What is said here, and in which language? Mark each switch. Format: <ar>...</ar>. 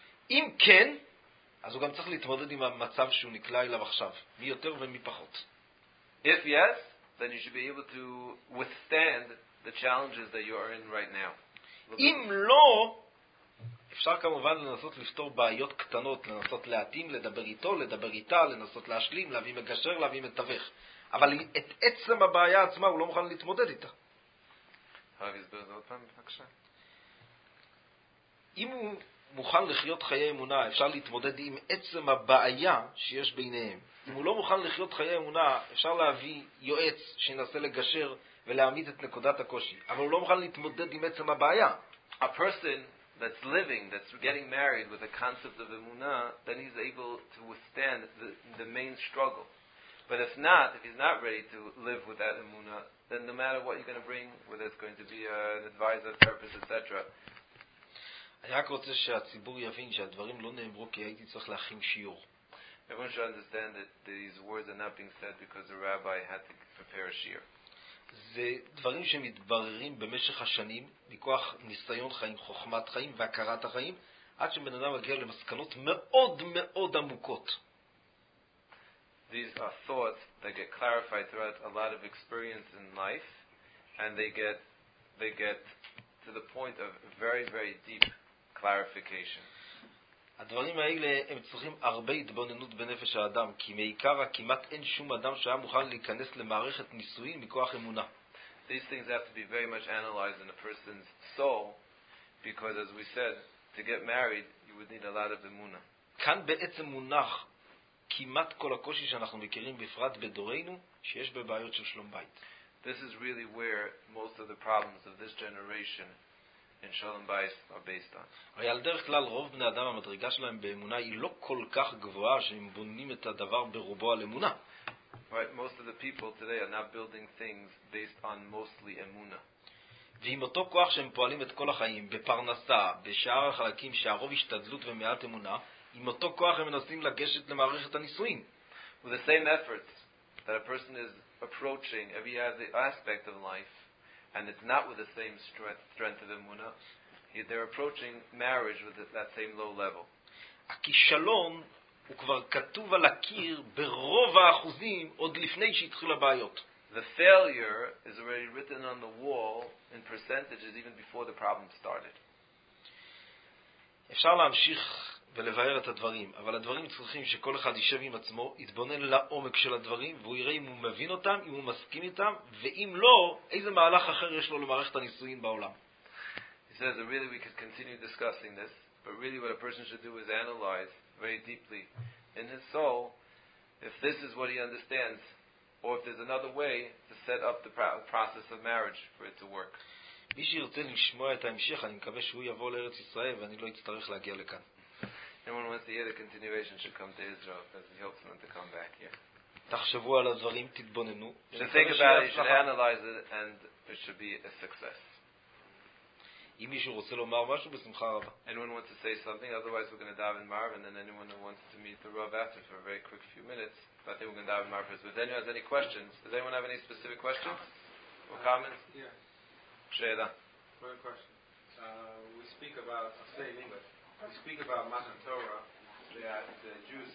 <he>אם כן, אז הוא גם צריך להתמודד עם המצב שהוא נקלע אליו עכשיו, מי יותר ומי פחות.</he> <en>If yes, then you should be able to withstand the challenges that you are in right now.</en> <he>אם לא, אפשר כמובן לנסות לפתור בעיות קטנות, לנסות להתאים, לדבר איתו, לדבר איתה, לנסות להשלים, להביא מגשר, להביא מתווך. אבל את עצם הבעיה עצמה הוא לא מוכן להתמודד איתה. הרב יסביר את זה עוד פעם, בבקשה. אם הוא מוכן לחיות חיי אמונה, אפשר להתמודד עם עצם הבעיה שיש ביניהם. אם הוא לא מוכן לחיות חיי אמונה, אפשר להביא יועץ שינסה לגשר ולהעמיד את נקודת הקושי. אבל הוא לא מוכן להתמודד עם עצם הבעיה.</he> <en>A person that's living, that's getting married with a concept of אמונה, then he's able to withstand the main struggle. But if not, if he's not ready to live with that אמונה, then no matter what you're going to bring, whether it's going to be an advisor, therapist, etc.,</en> <he>אני רק רוצה שהציבור יבין שהדברים לא נאמרו כי הייתי צריך להכין שיעור.</he> <en>Everyone should understand that these words are not being said because the rabbi had to prepare a shiur.</en> <he>זה דברים שמתבררים במשך השנים, מכוח ניסיון חיים, חוכמת חיים והכרת החיים, עד שבן אדם מגיע למסקנות מאוד מאוד עמוקות.</he> <en>These are thoughts that get clarified throughout a lot of experience in life, and they get to the point of very very deep clarification.</en> <he>הדברים האלה הם צריכים הרבה התבוננות בנפש האדם, כי מעיקר כמעט אין שום אדם שהיה מוכן להיכנס למערכת נישואים מכוח אמונה.</he> <en>These things have to be very much analyzed in a person's soul, because as we said, to get married you would need a lot of אמונה.</en> <he>כאן בעצם מונח כמעט כל הקושי שאנחנו מכירים בפרט בדורנו, שיש בבעיות של שלום בית.</he> <en>This is really where most of the problems of this generation in Shalom Bayis are based on.</en> <he>הרי על דרך כלל רוב בני אדם המדרגה שלהם באמונה היא לא כל כך גבוהה שהם בונים את הדבר ברובו על אמונה.</he> <en>Right, most of the people today are not building things based on mostly אמונה.</en> <he>ועם אותו כוח שהם פועלים את כל החיים בפרנסה, בשאר החלקים שהרוב השתדלות ומעט אמונה, עם אותו כוח הם מנסים לגשת למערכת הנישואין.</he> <en>With the same efforts that a person is approaching every aspect of life, and it's not with the same strength of emuna, they're approaching marriage with that same low level.</en> <he>הכישלון הוא כבר כתוב על הקיר ברוב האחוזים עוד לפני שהתחיל הבעיות.</he> <en>The failure is already written on the wall in percentages even before the problem started.</en> <he>אפשר להמשיך ולבאר את הדברים, אבל הדברים צריכים שכל אחד יישב עם עצמו, יתבונן לעומק של הדברים, והוא יראה אם הוא מבין אותם, אם הוא מסכים איתם, ואם לא, איזה מהלך אחר יש לו למערכת הנישואין בעולם.</he> <en>He says that really we could continue discussing this, but really what a person should do is analyze very deeply in his soul if this is what he understands, or if there's another way to set up the process of marriage for it to work.</en> <he>מי שירצה לשמוע את ההמשך, אני מקווה שהוא יבוא לארץ ישראל ואני לא אצטרך להגיע לכאן.</he> <en>Anyone wants to hear the continuation should come to Israel because he hopes not to come back here.</en> <he>תחשבו על הדברים, תתבוננו.</he> <en>Should think about it, should analyze it, and it should be a success.</en> <he>אם מישהו רוצה לומר משהו, בשמחה רבה.</he> <en>Anyone wants to say something, otherwise we're going to dive in Marv, and then anyone who wants to meet the Rav after for a very quick few minutes, but I think we're going to dive in Marv first. But anyone has any questions? Does anyone have any specific questions? Comments. Or comments? Yeah. Shayla. One question. We speak about, I'll say in English, we speak about Matan Torah that Jews</en>